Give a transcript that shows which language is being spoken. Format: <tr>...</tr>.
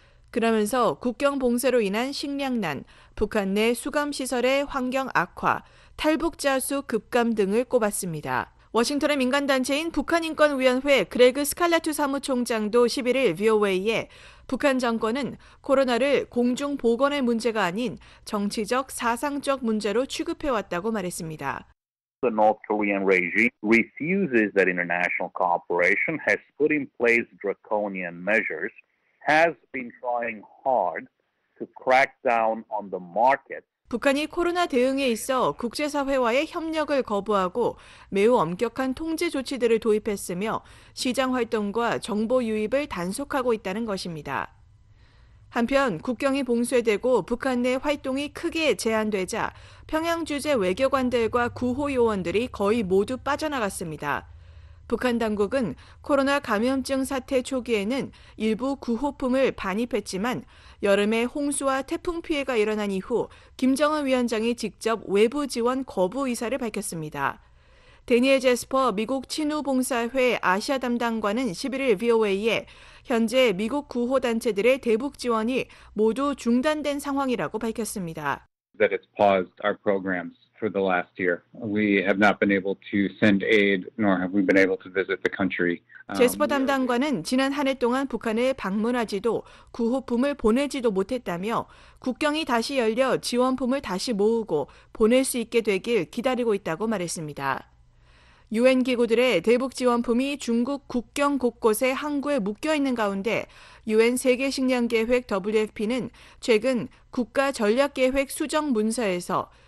<ko>그러면서 국경 봉쇄로 인한 식량난, 북한 내 수감시설의 환경 악화, 탈북자 수 급감 등을 꼽았습니다. 워싱턴의 민간단체인 북한인권위원회 그레그 스칼라투 사무총장도 11일 VOA에 북한 정권은 코로나를 공중보건의 문제가 아닌 정치적 사상적 문제로 취급해왔다고 말했습니다.</ko> <en>The North Korean regime refuses that international cooperation, has put in place draconian measures, has been trying hard to crack down on the market.</en> <ko>북한이 코로나 대응에 있어 국제사회와의 협력을 거부하고 매우 엄격한 통제 조치들을 도입했으며 시장 활동과 정보 유입을 단속하고 있다는 것입니다. 한편 국경이 봉쇄되고 북한 내 활동이 크게 제한되자 평양 주재 외교관들과 구호 요원들이 거의 모두 빠져나갔습니다. 북한 당국은 코로나 감염증 사태 초기에는 일부 구호품을 반입했지만 여름에 홍수와 태풍 피해가 일어난 이후 김정은 위원장이 직접 외부 지원 거부 의사를 밝혔습니다. 데니엘 제스퍼 미국 친우봉사회 아시아 담당관은 11일 VOA에 현재 미국 구호단체들의 대북 지원이 모두 중단된 상황이라고 밝혔습니다.</ko> <en>That it's paused our programs for the last year. We have not been able to send aid, nor have we been able to visit the country.</en> <ko>제스퍼 담당관은 지난 한 해 동안 북한을 방문하지도 구호품을 보내지도 못했다며 국경이 다시 열려 지원품을 다시 모으고 보낼 수 있게 되길 기다리고 있다고 말했습니다. 유엔 기구들의 대북 지원품이 중국 국경 곳곳에 항구에 묶여 있는 가운데 유엔 세계 식량 계획 WFP는 최근 국가 전략 계획 수정 문서에서</ko>